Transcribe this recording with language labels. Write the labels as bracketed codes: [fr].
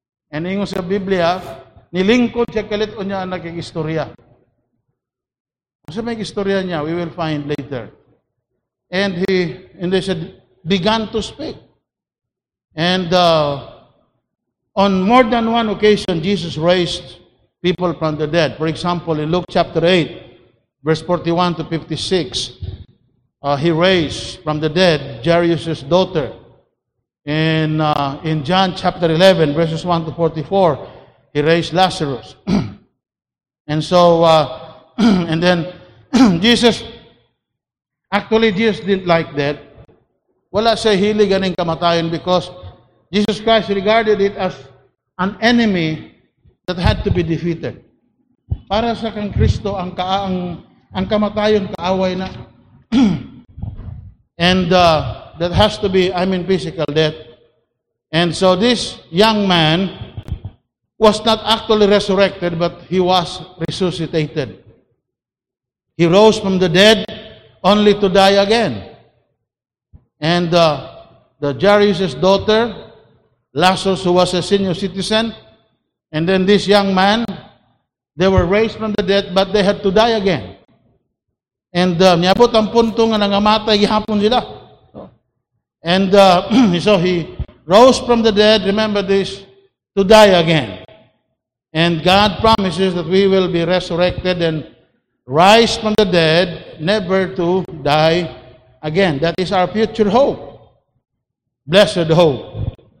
[ceb] And ingon sa Biblia, nilingkod siya kalit o niya ang nagkikistorya. Kasi may kistorya niya, [en] we will find later. And they said, began to speak. And on more than one occasion, Jesus raised people from the dead. For example, in Luke chapter 8, verse 41 to 56, he raised from the dead Jairus' daughter. In John chapter 11, verses 1 to 44, he raised Lazarus. And so, and then Jesus, actually Jesus didn't like that. [ceb] Wala sa hilig aning kamatayan, [en] because Jesus Christ regarded it as an enemy that had to be defeated. [ceb] Para sa kang Kristo, ang kamatayan, kaaway na. [en] And that has to be, physical death. And so this young man was not actually resurrected, but he was resuscitated. He rose from the dead only to die again. And the Jairus' daughter, Lazarus, who was a senior citizen, and then this young man, they were raised from the dead, but they had to die again. [ceb] And niyabot ang punto nga nangamatay gihapon sila. [en] And so he rose from the dead, remember this, to die again. And God promises that we will be resurrected and rise from the dead, never to die again. That is our future hope. Blessed hope.